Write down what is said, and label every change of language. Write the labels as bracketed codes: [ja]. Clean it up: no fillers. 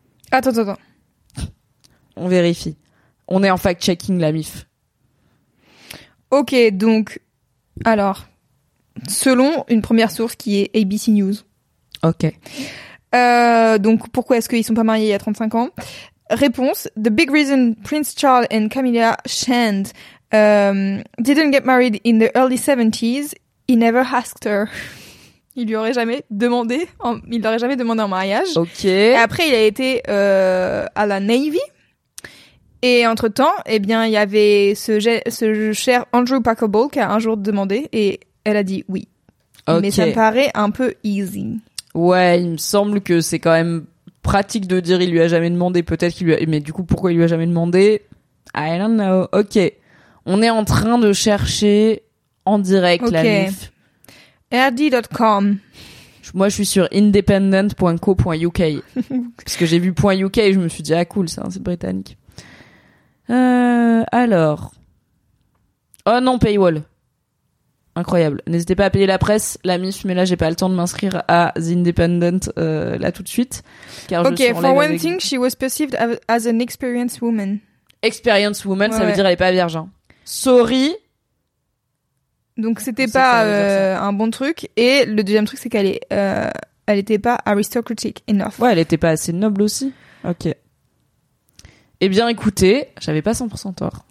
[fr] Attends. On vérifie. On est en fact-checking, la mif. Ok, donc, alors, selon une première source qui est ABC News. Ok. Donc, pourquoi est-ce qu'ils ne sont pas mariés il y a 35 ans? Réponse, [en] the big reason Prince Charles and Camilla Shand didn't get married in the early 70s, he never asked her. [fr] Il lui aurait jamais demandé, il n'aurait jamais demandé en mariage. Ok. Et après, il a été à la Navy. Et entre-temps, eh bien, il y avait ce cher Andrew Packable qui a un jour demandé et elle a dit oui. Okay. Mais ça me paraît un peu easy. Ouais, il me semble que c'est quand même pratique de dire il lui a jamais demandé. Peut-être qu'il lui a... Mais du coup, pourquoi il lui a jamais demandé? [en] I don't know. [fr] Ok. On est en train de chercher en direct la NIF. RD.com. Moi, je suis sur independent.co.uk. Parce que j'ai vu .uk et je me suis dit ah cool, ça, c'est britannique. Alors. Oh non, paywall. Incroyable. N'hésitez pas à payer la presse, la MIF, mais là, j'ai pas le temps de m'inscrire à The Independent, là, tout de suite. Car ok, je suis [en] for one [fr] avec... [en] thing, she was perceived as an experienced woman. Experienced woman, [fr] ouais, ça veut dire elle est pas vierge. [en] Sorry. [fr] Donc, c'était pas un bon truc. Et le deuxième truc, c'est qu'elle est, elle était pas [en] aristocratic enough. [fr] Ouais, elle était pas assez noble aussi. Ok. Eh bien, écoutez, j'avais pas 100% tort.